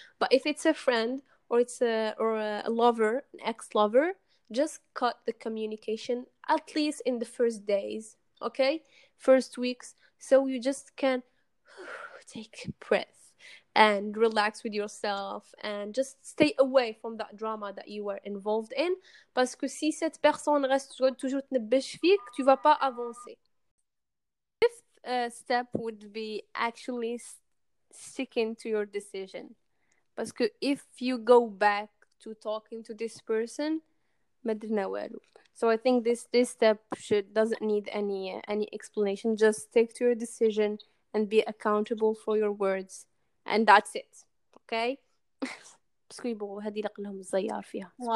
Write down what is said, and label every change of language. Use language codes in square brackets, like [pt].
[en] But if it's a friend, or it's a lover, an ex-lover, just cut the communication, at least in the first days, okay? First weeks, so you just can take a breath and relax with yourself and just stay away from that drama that you were involved in. [fr] Parce que si cette personne reste toujours [ar] t'nebbesh fik, [fr] tu vas pas avancer. [en] Fifth step would be actually sticking to your decision. [fr] Parce que [en] if you go back to talking to this person, so I think this step doesn't need any explanation. Just stick to your decision and be accountable for your words, and that's it. Okay. [fr] Parce que bon, [ar] هذه لقلهم الزيار فيها.